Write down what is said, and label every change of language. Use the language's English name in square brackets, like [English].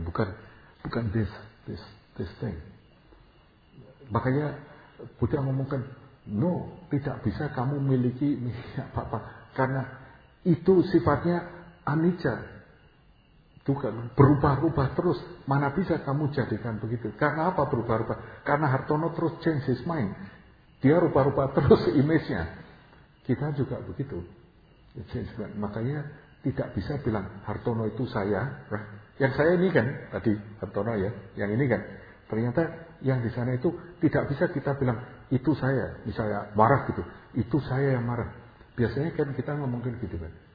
[Indonesian] Bukan [English] this thing. [Indonesian] Makanya Buddha ngomongkan, no, tidak bisa kamu miliki apa-apa. Karena itu sifatnya anicca. Itu kan berubah-ubah terus. Mana bisa kamu jadikan begitu. Karena apa berubah-ubah? Karena Hartono terus [English] change his mind. [Indonesian] Dia berubah-ubah terus image-nya. Kita juga begitu. Makanya tidak bisa bilang Hartono itu saya. Yang saya ini kan tadi Hartono ya. Yang ini kan. Ternyata yang di sana itu tidak bisa kita bilang itu saya. Misalnya marah gitu. Itu saya yang marah. Biasanya kan kita ngomongin gitu kan.